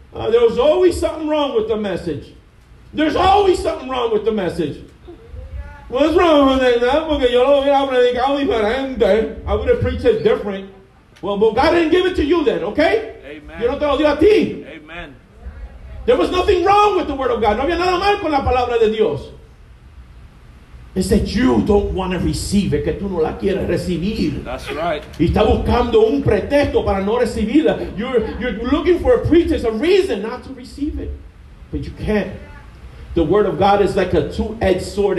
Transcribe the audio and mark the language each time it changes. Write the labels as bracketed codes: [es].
[en] There's always something wrong with the message. There's always something wrong with the message. What's wrong with that? [es] Porque yo lo hubiera predicado diferente. [en] I would have preached it different. Well, but God didn't give it to you then, okay? Amen. [es] Yo no te lo dio a ti. [en] Amen. There was nothing wrong with the word of God. [es] No había nada mal con la palabra de Dios. [en] It's that you don't want to receive it. [es] Que tú no la quieres recibir. [en] That's right. [es] Y está buscando un pretexto para no recibirla. [en] You're looking for a pretext, a reason not to receive it. But you can't. The word of God is like a two-edged sword.